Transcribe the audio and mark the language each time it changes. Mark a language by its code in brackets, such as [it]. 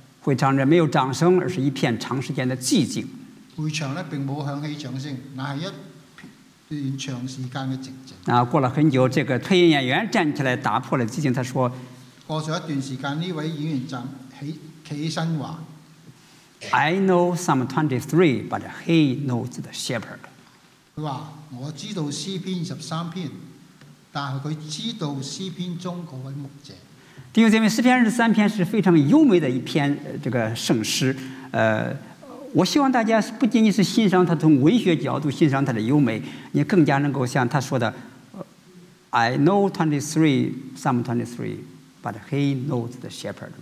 [zh] 会场人没有掌声，而是一片长时间的寂静。会场并没有响起掌声，那是一段长时间的寂静。过了很久，这个配音演员站起来打破了寂静，他说过了一段时间，这位演员站起身说 [en] I know Psalm 23 but he knows the shepherd。 [zh] 他说我知道诗篇二十三篇，但是他知道诗篇中那位牧者。弟兄姐妹，诗篇二十三篇是非常优美的一篇这个圣诗。我希望大家不仅仅是欣赏它，从文学角度欣赏它的优美，你更加能够像他说的 [en] I know 23 Psalm 23But he knows the shepherd。